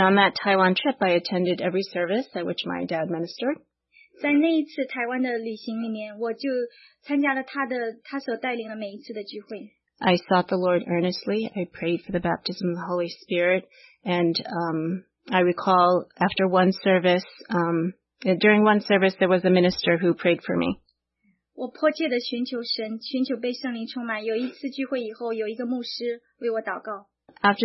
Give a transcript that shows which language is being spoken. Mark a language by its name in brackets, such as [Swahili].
[English] on that Taiwan trip, I attended every service at which my dad ministered. [Chinese] 在那一次台湾的旅行里面，我就参加了他所带领的每一次的聚会。 [English] I sought the Lord earnestly. I prayed for the baptism of the Holy Spirit, and I recall after one service, during one service, there was a minister who prayed for me. [Chinese] 我迫切地寻求神，寻求被圣灵充满。有一次聚会以后，有一个牧师为我祷告。 [English] After